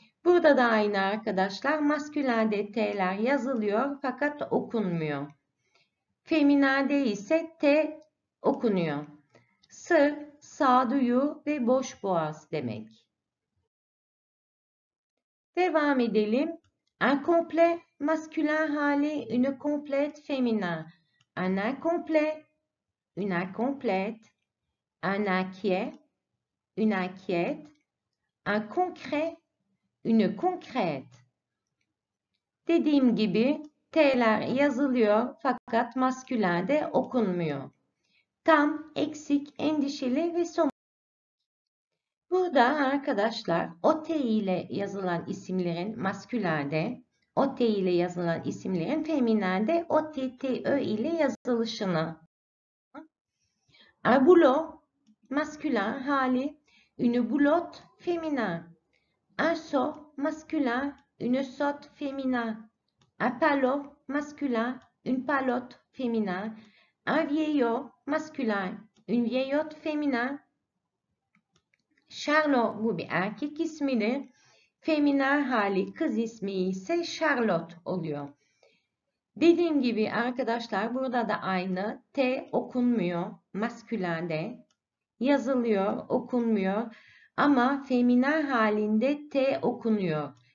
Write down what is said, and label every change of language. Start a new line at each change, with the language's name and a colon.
Turkish: Burada da aynı arkadaşlar. Maskülende T'ler yazılıyor fakat okunmuyor. Feminade ise T okunuyor. Sır, sağduyu ve boş boğaz demek. Devam edelim.
French: Incomplet,
Turkish: masculin hali,
French: une complète féminin. Un incomplet, une incomplète. Un inquiet, une inquiète. Un concret, une concrète.
Turkish: Dediğim gibi T'ler yazılıyor fakat maskülen de okunmuyor. Tam, eksik, endişeli ve somut. Burada arkadaşlar o T ile yazılan isimlerin maskülen de, o T ile yazılan isimlerin feminen de o T T Ö ile yazılışını.
French: Bulot
Turkish: maskülen hali,
French: une bulotte féminin. Un seau maskülen, une seau féminin. Un palot maskülen, une palotte féminin. Un vieillot maskülen, une vieillotte féminin.
Turkish: Charlot bu bir erkek ismidir. Feminen hali kız ismi ise Charlotte oluyor. Dediğim gibi arkadaşlar burada da aynı T okunmuyor maskülende. Yazılıyor, okunmuyor ama feminen halinde T okunuyor.